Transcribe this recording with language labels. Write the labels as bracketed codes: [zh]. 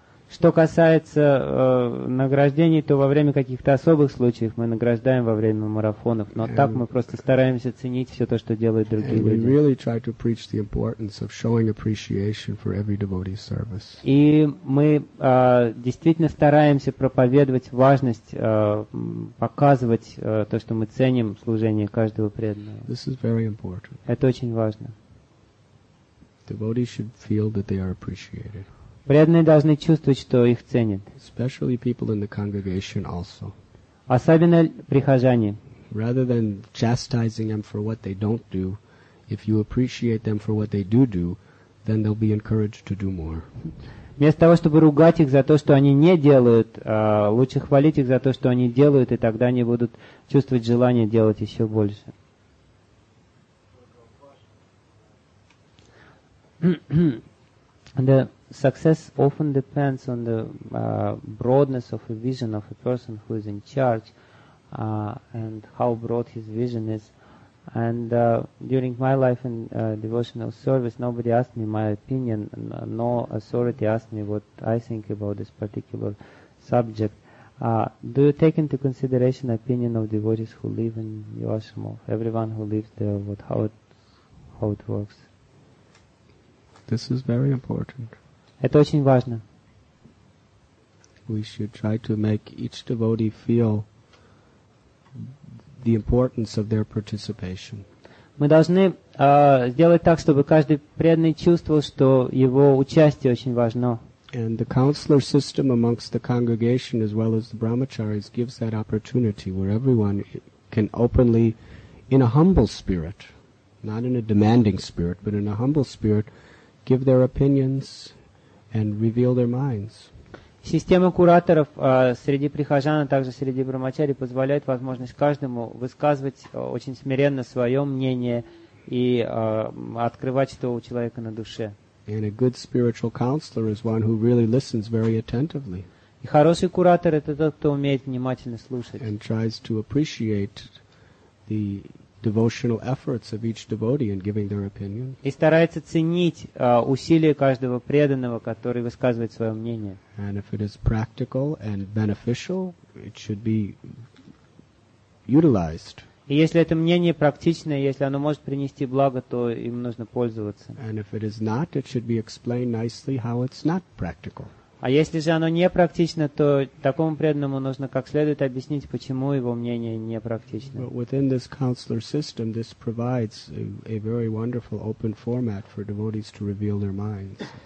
[ru] Что касается награждений, то во время каких-то особых случаев мы награждаем во время марафонов, но так мы просто стараемся ценить все то, что делают другие люди. [en] We really try to preach the importance of showing appreciation for every devotee's service. [ru] И мы действительно стараемся проповедовать важность, показывать то, что мы ценим служение каждого преданного. [en] This is very important. [ru] Это очень важно. [en] Devotees should feel that they are appreciated. [ru] Преданные должны чувствовать, что их ценят. [en] Especially people in the congregation also. [ru] Особенно прихожане. [en] Rather than chastising them for what they don't do, if you appreciate them for what they do, then they'll be encouraged to do more. [ru] Вместо того, чтобы ругать их за то, что они не делают, лучше хвалить их за то, что они делают, и тогда они будут чувствовать желание делать еще больше. [en] The success often depends on the broadness of a vision of a person who is in charge and how broad his vision is. And during my life in devotional service, nobody asked me my opinion, no authority asked me what I think about this particular subject. Do you take into consideration the opinion of devotees who live in your ashram, of everyone who lives there, what how it works? This is very important. [ru] Это очень важно. [en] We should try to make each devotee feel the importance of their participation. [ru] Мы должны сделать так, чтобы каждый преданный чувствовал, что его участие очень важно. [en] And the counselor system amongst the congregation as well as the brahmacharis gives that opportunity where everyone can openly, in a humble spirit, not in a demanding spirit, but in a humble spirit, give their opinions and reveal their minds. [ru] Система кураторов среди прихожан, а также среди брахмачари позволяет возможность каждому высказывать очень смиренно свое мнение и открывать, что у человека на душе. [en] And a good spiritual counselor is one who really listens very attentively. [ru] И хороший куратор — это тот, кто умеет внимательно слушать. [en] And tries to appreciate the devotional efforts of each devotee in giving their opinion. [ru] И старается ценить усилия каждого преданного, который высказывает свое мнение. [en] And if it is practical and beneficial, it should be utilized. [ru] И если это мнение практичное, если оно может принести благо, то им нужно пользоваться. [en] And if it is not, it should be explained nicely how it's not practical. [ru] А если же оно не практично, то такому преданному нужно как следует объяснить, почему его мнение не практично. [en] But within this counselor system, this provides a very wonderful open format for devotees to reveal their minds.